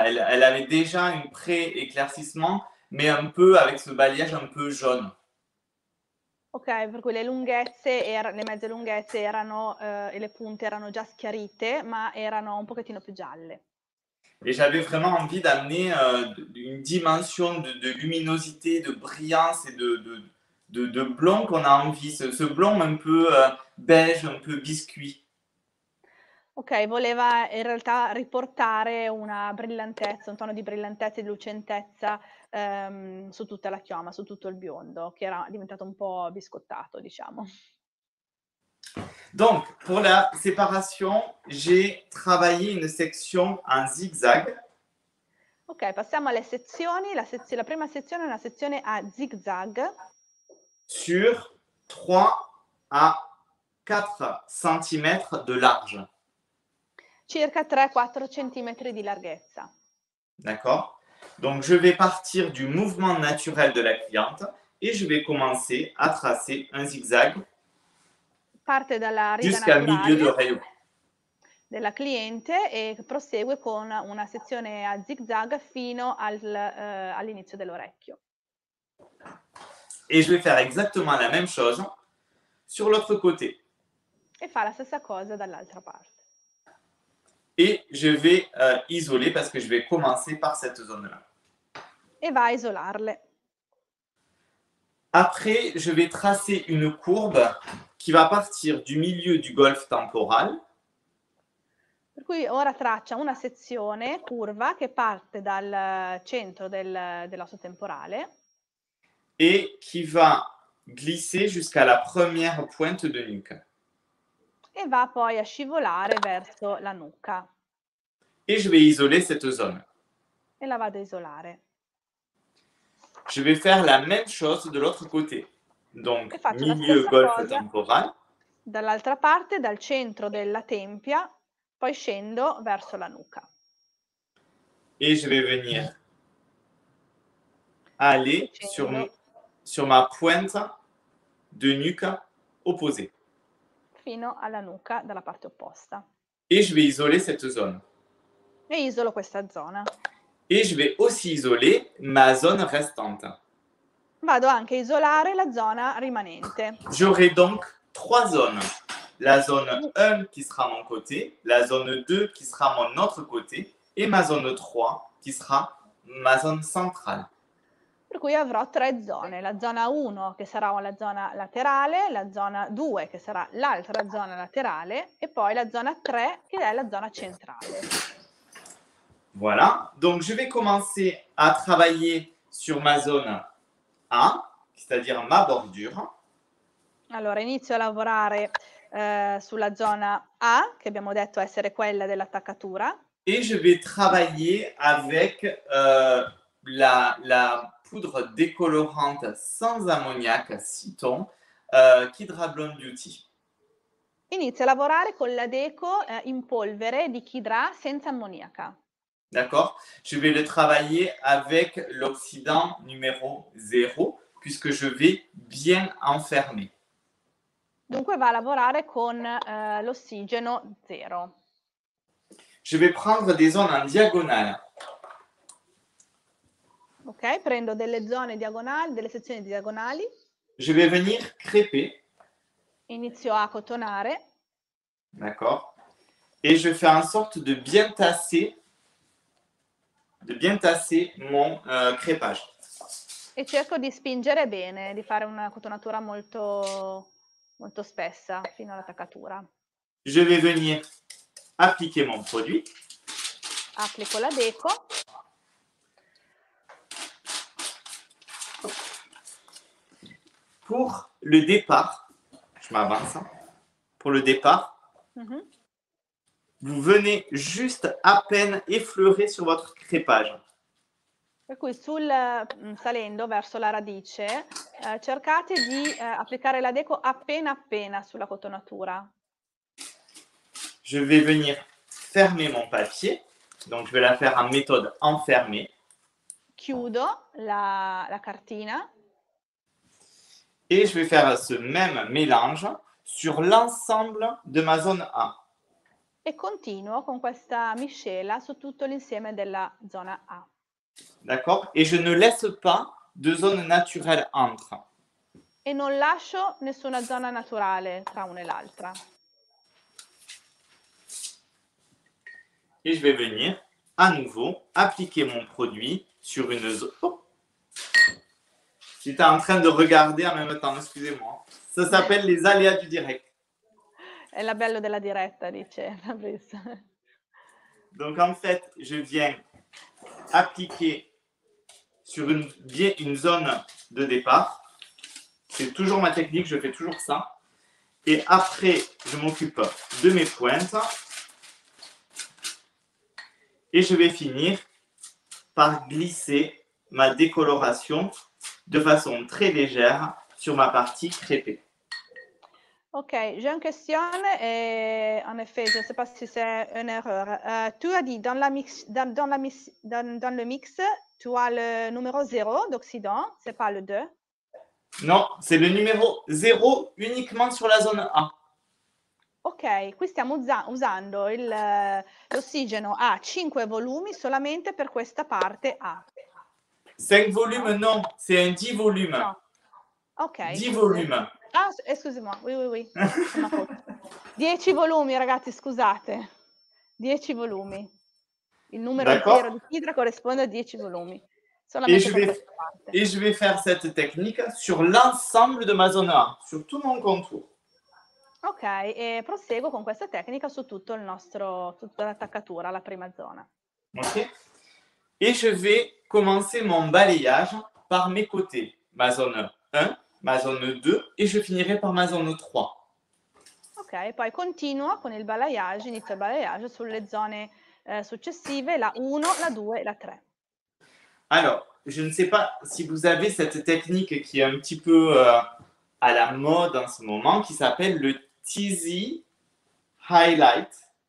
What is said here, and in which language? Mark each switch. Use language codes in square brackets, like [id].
[fr] Elle avait déjà un pré-éclaircissement, mais un peu avec ce balayage un peu jaune. [it] Ok, per cui le mezze lunghezze erano e le punte erano già schiarite, ma erano un pochettino più gialle. [fr] E j'avais vraiment envie d'amener une dimension de luminosité, de brillance et de blanc qu'on a envie, ce blanc un peu beige, un peu biscuit. [it] Ok, voleva in realtà riportare una brillantezza, un tono di brillantezza e di lucentezza su tutta la chioma, su tutto il biondo, che era diventato un po' biscottato, diciamo. [fr] Donc, pour la séparation, j'ai travaillé une section en zigzag. [it] Ok, passiamo alle sezioni. La prima sezione è una sezione a zigzag. [fr] Sur 3 à 4 cm de large. [it] Circa 3-4 cm di larghezza. [fr] D'accord. Donc je vais partir du mouvement naturel de la cliente et je vais commencer à tracer un zigzag. [it] Parte dalla riga [fr] jusqu'à milieu de rayon. [it] Della cliente e prosegue con una sezione a zigzag fino all'inizio dell'orecchio. [fr] Et je vais faire exactement la même chose sur l'autre côté. [it] E fa la stessa cosa dall'altra parte. [fr] Et je vais isoler parce que je vais commencer par cette zone-là. [it] Et va isolarle. [fr] Après, je vais tracer une courbe qui va partir du milieu du golfe temporal. [it] Per cui ora traccia una sezione curva che parte dal centro dell'osso temporale. [fr] Et qui va glisser jusqu'à la première pointe de nuque. [it] e va poi a scivolare verso la nuca. [fr] Et je vais isoler cette zone. [it] E la vado a isolare. [fr] Je vais faire la même chose de l'autre côté. Donc milieu golfe temporal. [it] Dall'altra parte, dal centro della tempia, poi scendo verso la nuca. [fr] Et je vais venir aller sur ma pointe de nuca opposée. [it] Fino alla nuca dalla parte opposta. [fr] Et je vais isoler cette zone. [it] E isolo questa zona. [fr] Et je vais aussi isoler ma zone restante. [it] Vado anche a isolare la zona rimanente. [fr] J'aurai donc trois zones. La zone 1 qui sera mon côté, la zone 2 qui sera mon autre côté et ma zone 3 qui sera ma zone centrale. [it] Per cui avrò tre zone, la zona 1 che sarà la zona laterale, la zona 2 che sarà l'altra zona laterale e poi la zona 3 che è la zona centrale. [fr] Voilà, donc je vais commencer à travailler sur ma zone A, c'est-à-dire ma bordure. [it] Allora, inizio a lavorare sulla zona A, che abbiamo detto essere quella dell'attaccatura. [fr] Et je vais travailler avec la poudre décolorante sans ammoniac, Citon, Kidra Blonde Beauty. [it] Inizio a lavorare con la deco in polvere di Kidra senza ammoniaca. [fr] D'accord. Je vais le travailler avec l'oxydant numéro 0, puisque je vais bien enfermer. [it] Dunque va a lavorare con l'ossigeno 0. [fr] Je vais prendre des zones en diagonale. [it] Ok, prendo delle zone diagonali, delle sezioni diagonali. [fr] Je vais venir crêper. [it] Inizio a cotonare. [fr] D'accord. Et je fais en sorte de bien tasser. Di bien tasser mon crepage. [it] E cerco di spingere bene, di fare una cotonatura molto, molto spessa fino all'attaccatura. [fr] Je vais venir appliquer mon produit. [it] Applico la deco. [fr] Pour le départ, je m'avance. Pour le départ, vous venez juste à peine effleurer sur votre crépage. [it] Per cui sul salendo verso la radice, cercate di applicare la deco appena appena sulla cotonatura. [fr] Je vais venir fermer mon papier, donc je vais la faire en méthode enfermée. [it] Chiudo la cartina. [fr] Et je vais faire ce même mélange sur l'ensemble de ma zone A. [it] E continuo con questa miscela su tutto l'insieme della zona A. [fr] D'accord? Et je ne laisse pas de zone naturelle entre. [it] E non lascio nessuna zona naturale tra una e l'altra. [fr] Et je vais venir à nouveau appliquer mon produit sur une zone. Oh! J'étais en train de regarder en même temps, excusez-moi. Ça s'appelle les aléas du direct. [it] È la bello della diretta, dice Fabrice. [fr] Donc en fait, je viens appliquer sur une zone de départ. C'est toujours ma technique, je fais toujours ça. Et après, je m'occupe de mes pointes. Et je vais finir par glisser ma décoloration de façon très légère sur ma partie crêpée. Ok, j'ai une question, et en effet, je ne sais pas si c'est une erreur. Tu as dit, dans le mix, tu as le numéro 0 d'oxydant, ce n'est pas le 2. Non, c'est le numéro 0 uniquement sur la zone A. [it] Ok, qui stiamo usando l'ossigeno A, 5 volumi solamente per questa parte A. 5 volumi, no, [fr] c'est un [it] 10 volumi. No. Ok. 10 volumi. Ah, scusami, oui. 10 volumi, ragazzi, scusate. 10 volumi. Il numero intero di Kidra corrisponde a 10 volumi. [fr] E je vais faire cette technique sur l'ensemble de ma zona, [it] su tutto [fr] mon contour. [it] Ok, e proseguo con questa tecnica su tutto il nostro, tutta l'attaccatura, la prima zona. Ok. [fr] E je vais commencer mon balayage par mes côtés, ma zona 1. Ma zone 2 et je finirai par ma zone 3. Ok, Okay. [it] Poi continuo con il balayage, inizio il balayage sulle zone successive, la 1, la 2 e la 3. [fr] Allora, je ne sais pas si vous avez cette technique qui est un petit peu à la mode en ce moment, qui s'appelle le Tizzy Highlight.